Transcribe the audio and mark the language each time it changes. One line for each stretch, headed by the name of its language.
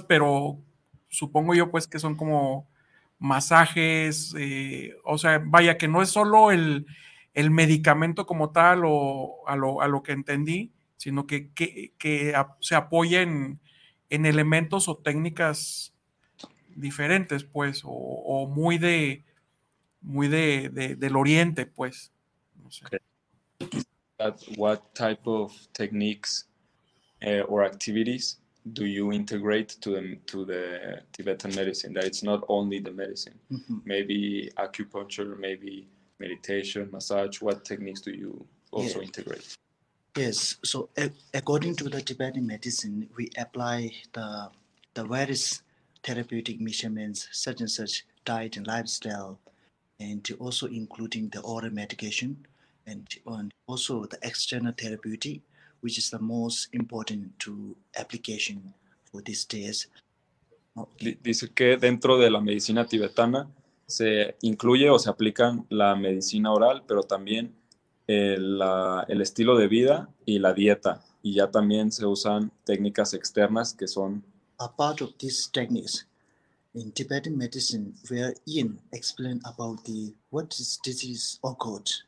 Spanish: pero supongo yo, pues, que son como masajes, o sea, vaya, que no es solo el medicamento como tal o a lo que entendí, sino que se apoya en elementos o técnicas diferentes, pues, o muy de del oriente, pues. No sé.
English: Okay. What type of techniques or activities do you integrate to the Tibetan medicine? That it's not only the medicine. Mm-hmm. Maybe acupuncture, maybe meditation, massage. What techniques do you also integrate? Yes, so according to the Tibetan medicine, we apply the various therapeutic measurements, such and such diet and lifestyle, and also including the oral medication, and also the external therapeutic, which is the most important to application for these days. Okay.
Spanish: Dice que dentro de la medicina tibetana se incluye o se aplican la medicina oral, pero también el estilo de vida y la dieta, y ya también se usan técnicas externas que son
English: a part of these techniques in Tibetan medicine, where Ian explained about the what is disease occurred.